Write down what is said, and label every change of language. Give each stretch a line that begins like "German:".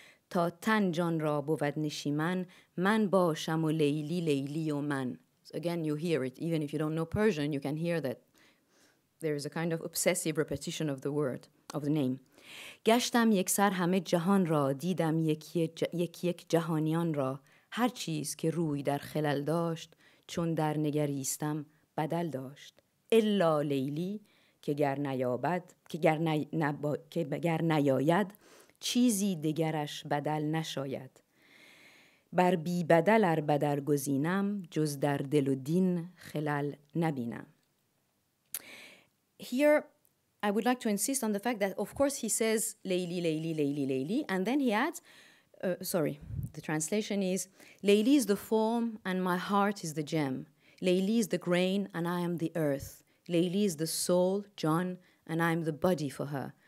Persian: تا تن جان را بود نشیمن من باشم و لیلی لیلی و من.
English: So again, you hear it. Even if you don't know Persian, you can hear that there is a kind of obsessive repetition of the word, of the name.
Persian: گشتم یک سر همه جهان را دیدم یک جهانیان را هر چیز که روی در خلل داشت چون در نگریستم بدل داشت الا لیلی که گر نیابد که گر نیاید چیزی دگرش بدل نشاید. بر بی بدل ار بدل گزینم جز در دل و دین خلال نبینم.
English: Here, I would like to insist on the fact that, of course, he says, Leyli, Leyli, Leyli, Leyli, and then he adds, the translation is, Leyli is the form and my heart is the gem. Leyli is the grain and I am the earth. Leyli is the soul, John, and I am the body for her.